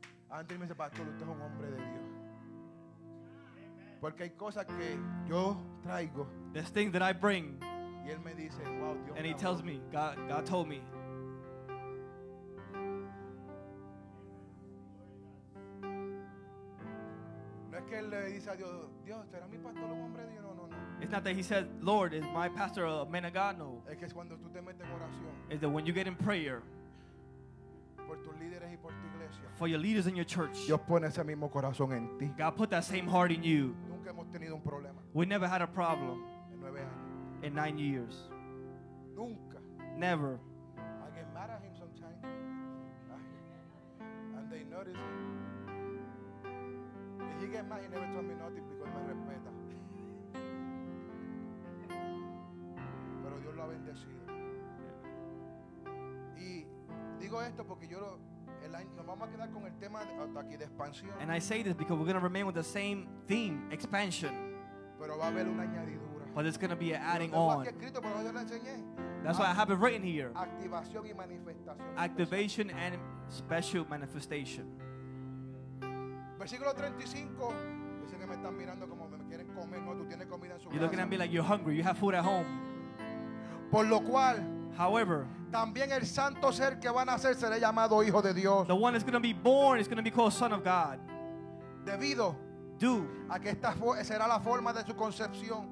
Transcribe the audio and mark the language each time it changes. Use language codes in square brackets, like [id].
[es] Anthony me dice, pastor, usted es un hombre de Dios. Porque hay cosas que yo traigo. [en] This thing that I bring. [es] Y él me dice, wow, Dios. [en] And he tells me, God told me. [es] No es que él le dice a Dios, Dios, ¿será mi pastor un hombre de Dios? [en] It's not that he said, Lord, is my pastor a man of God? [es] No. Es que cuando tú te metes en oración, [en] it's that when you get in prayer [es] por tus líderes y por tu iglesia, [en] for your leaders in your church, [es] Dios pone ese mismo corazón en ti. [en] God put that same heart in you. [es] Nunca hemos tenido un problema. [en] We never had a problem [es] en 9 años. [en] In 9 years. [es] Nunca. [en] Never. I get mad at him sometimes. And they notice it. If he gets mad, he never told me nothing because [es] me respeta. Dios lo ha bendecido. Y digo esto porque yo nos vamos a quedar con el tema hasta aquí de expansión. [en] And I say this because we're going to remain with the same theme, expansion. [es] Pero va a haber una añadidura. [en] But it's going to be an adding on. [es] Escrito, pero yo lo enseñé. [en] That's why I have it written here. [es] Activación y manifestación. [en] Activation and special manifestation. [es] Versículo 35. Dice que me están mirando como me quieren comer. No, tú tienes comida en su casa. [en] You're looking at me like you're hungry. You have food at home. [es] Por lo cual, [en] however, [es] también el santo ser que van a nacer será llamado hijo de Dios. [en] The one that's going to be born is going to be called son of God. [es] Debido [en] due [es] a que esta será la forma de su concepción.